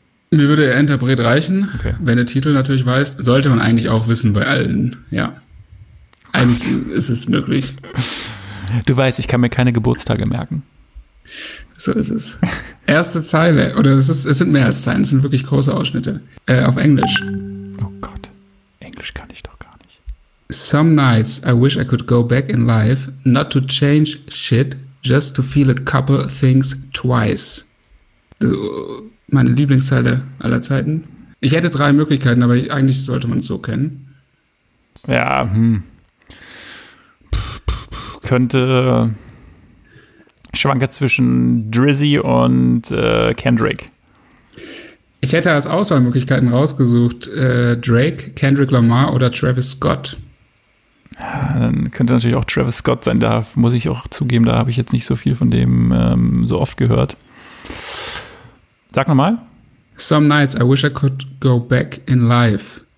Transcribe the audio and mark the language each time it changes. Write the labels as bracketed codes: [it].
[de] Mir würde der Interpret reichen, okay. Wenn der Titel natürlich weißt, sollte man eigentlich auch wissen bei allen, ja. Eigentlich ist es möglich. Du weißt, ich kann mir keine Geburtstage merken. So ist es. Erste Zeile, oder es sind mehr als Zeilen, es sind wirklich große Ausschnitte. Auf Englisch. Oh Gott, Englisch kann ich doch gar nicht. [en] Some nights I wish I could go back in life, not to change shit, just to feel a couple things twice. [de] So, meine Lieblingszeile aller Zeiten. Ich hätte drei Möglichkeiten, aber eigentlich sollte man es so kennen. Ja, könnte schwanke zwischen Drizzy und Kendrick. Ich hätte als Auswahlmöglichkeiten rausgesucht Drake, Kendrick Lamar oder Travis Scott. Ja, dann könnte natürlich auch Travis Scott sein. Da muss ich auch zugeben, da habe ich jetzt nicht so viel von dem so oft gehört. Sag nochmal. [en] Some nights I wish I could go back in life.